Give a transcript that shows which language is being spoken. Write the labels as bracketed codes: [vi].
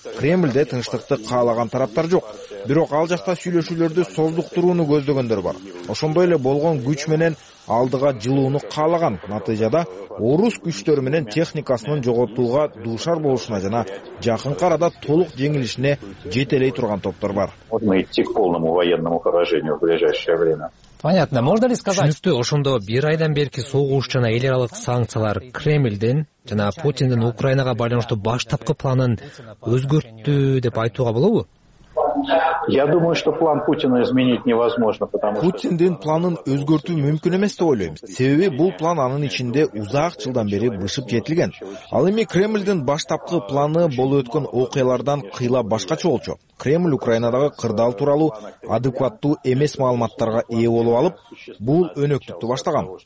[ky] Кремльде тынчтыкты каалаган тараптар жок, бирок ал жакта сүйлөшүүлөрдү создуктурууну көздөгөндөр бар. Ошондой эле болгон күч менен алдыга жылууну каалаган. Натыйжада орус күчтөрү менен техникасынын жоготууга дуушар болушуна жана жакынкы арада толук жеңилишине жетелей турган топтор бар. [ru] Вот мы идти к полному военному поражению в ближайшее время. Понятно, можно ли сказать? [ky] Түшүнүктүү, ошондо бир айдан берки согуш жана эл аралык санкциялар Кремлден жана Путиндин Украинага байланыштуу баштапкы планын өзгөрттү деп айтууга болобу? [ru] Я думаю, что план Путина изменить невозможно, потому что [ky] Путиндин планын өзгөртүү мүмкүн эмес деп ойлойм. Себеби бул план анын ичинде узак жылдан бери бышып жетилген. Ал эми Кремлдин баштапкы планы болуп өткөн окуялардан кыйла башкача болчу. Кремль Украинадагы кырдаал тууралуу адекваттуу эмес маалыматтарга ээ болуп алып, бул өнөктүктү баштаган.